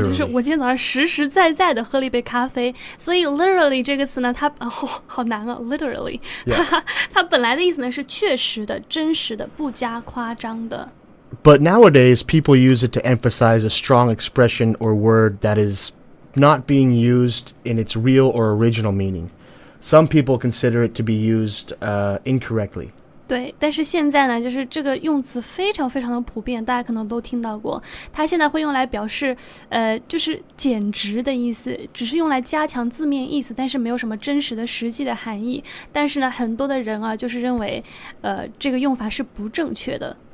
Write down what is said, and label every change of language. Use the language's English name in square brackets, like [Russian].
[Chinese] 对,就是我今天早上实实在在地喝了一杯咖啡。所以 literally 这个词呢,它、哦、好难啊 literally.、 [English] Yeah. [Chinese] 它本来的意思呢是确实的,真实的,不加夸张的。 [English] But nowadays, people use it to emphasize a strong expression or word that is... not being used in its real or original meaning. Some people consider it to be used incorrectly. [Chinese] 对,但是现在呢,就是这个用词非常非常的普遍,大家可能都听到过。它现在会用来表示,就是简直的意思,只是用来加强字面意思,但是没有什么真实的实际的含义。但是呢,很多的人啊,就是认为,这个用法是不正确的。